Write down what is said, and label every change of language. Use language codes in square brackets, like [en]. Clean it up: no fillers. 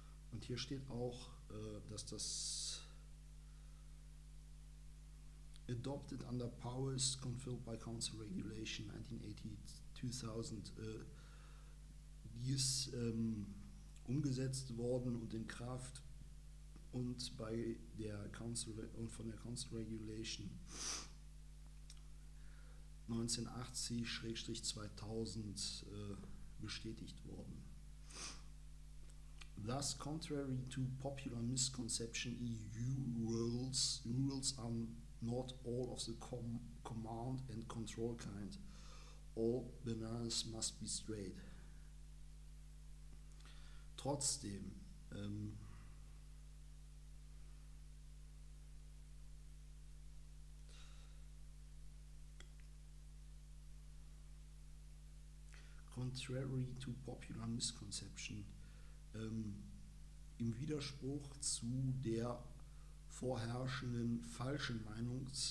[de] Und hier steht auch, dass das [en] adopted under powers conferred by council regulation [de] 1980-2000, die ist umgesetzt worden und in Kraft und bei der Council und von der Council Regulation 1980/2000 bestätigt worden. [en] Thus, contrary to popular misconception, EU rules are not all of the command and control kind. All bananas must be straight. [de] Trotzdem, [en] contrary to popular misconception, [de] im Widerspruch zu der vorherrschenden falschen Meinung